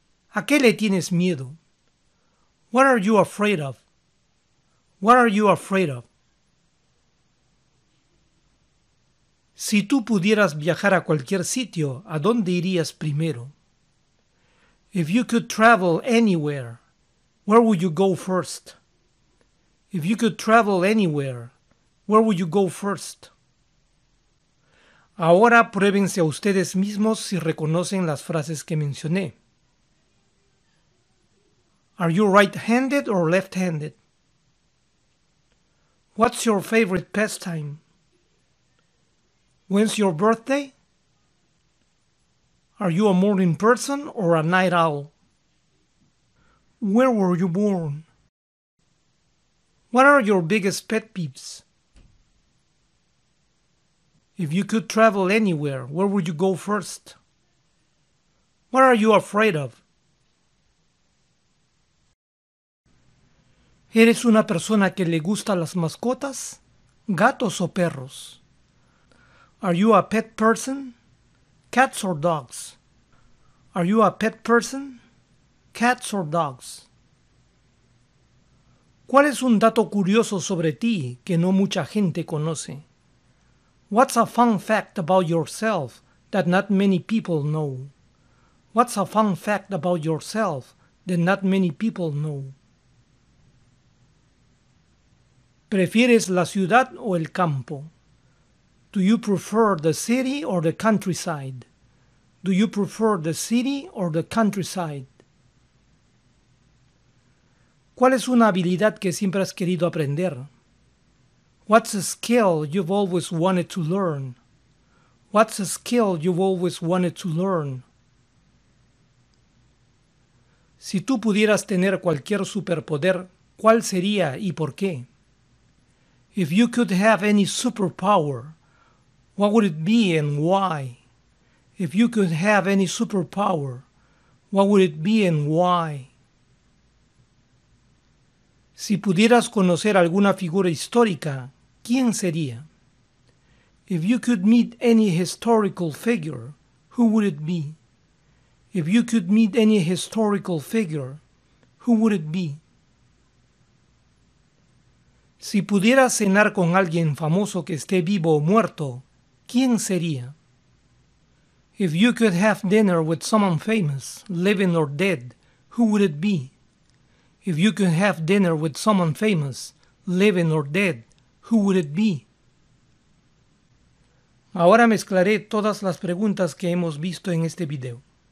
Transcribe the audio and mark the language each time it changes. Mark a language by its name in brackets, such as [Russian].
[Spanish] ¿A qué le tienes miedo? [English] What are you afraid of? What are you afraid of? [Spanish] Si tú pudieras viajar a cualquier sitio, ¿a dónde irías primero? [English] If you could travel anywhere, where would you go first? If you could travel anywhere, where would you go first? [Spanish] Ahora pruébense a ustedes mismos si reconocen las frases que mencioné. [English] Are you right-handed or left-handed? What's your favorite pastime? When's your birthday? Are you a morning person or a night owl? Where were you born? What are your biggest pet peeves? If you could travel anywhere, where would you go first? What are you afraid of? [Spanish] ¿Eres una persona que le gusta las mascotas, gatos o perros? [English] Are you a pet person? Cats or dogs? Are you a pet person? Cats or dogs? [Spanish] ¿Cuál es un dato curioso sobre ti que no mucha gente conoce? [English] What's a fun fact about yourself that not many people know? What's a fun fact about yourself that not many people know? [Spanish] ¿Prefieres la ciudad o el campo? [English] Do you prefer the city or the countryside? Do you prefer the city or the countryside? [Spanish] ¿Cuál es una habilidad que siempre has querido aprender? [English] What's a skill you've always wanted to learn? What's a skill you've always wanted to learn? [Spanish] Si tú pudieras tener cualquier superpoder, ¿cuál sería y por qué? [English] If you could have any superpower, what would it be and why? If you could have any superpower, what would it be and why? [Spanish] Si pudieras conocer alguna figura histórica, ¿quién sería? [English] If you could meet any historical figure, who would it be? If you could meet any historical figure, who would it be? [Spanish] Si pudieras cenar con alguien famoso que esté vivo o muerto, ¿Quién sería? [English] If you could have dinner with someone famous, living or dead, who would it be? If you could have dinner with someone famous, living or dead, who would it be? [Spanish] Ahora mezclaré todas las preguntas que hemos visto en este video.